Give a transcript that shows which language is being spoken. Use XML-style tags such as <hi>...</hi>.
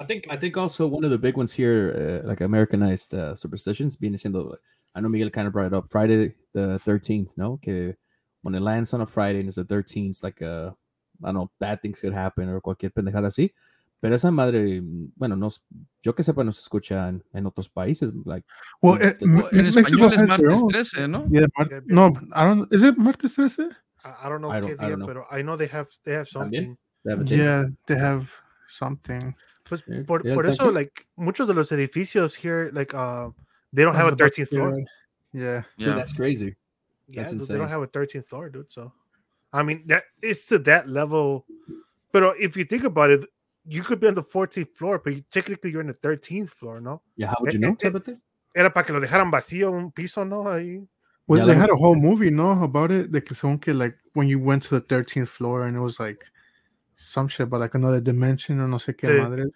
<en>I think also one of the big ones here, like, Americanized superstitions, being the same, like, I know Miguel kind of brought it up. Friday the 13th, no? Okay. When it lands on a Friday and it's the 13th, it's like, I don't know, bad things could happen or</en> <es>cualquier pendejada así. Pero esa madre, bueno, no, yo que sepa, no se escucha en otros países.</es> <en>Like, well,</en> <es>en español es martes 13, ¿no?</es> <en>Yeah, no, I don't, is it martes 13? I don't know.</en> <es>Pero</es> <en>I know they have something. They have something.</en> <es>Pues, por eso, you?</es> <en>Like,</en> <es>muchos de los edificios</es> <en>here, like, they don't have a 13th floor. Yeah. Dude, that's crazy. That's insane. They don't have a 13th floor, dude. So, I mean, that is to that level. But if you think about it, you could be on the 14th floor, but you, technically you're in the 13th floor, no? Yeah, how would you know?</en> <es>Era para que lo dejaran vacío un piso, no? Ahí.</es> <en>Well, they had a whole movie, no, about it. Like, when you went to the 13th floor and it was like some shit, but like another dimension or</en> <es>no sé qué madre.</es>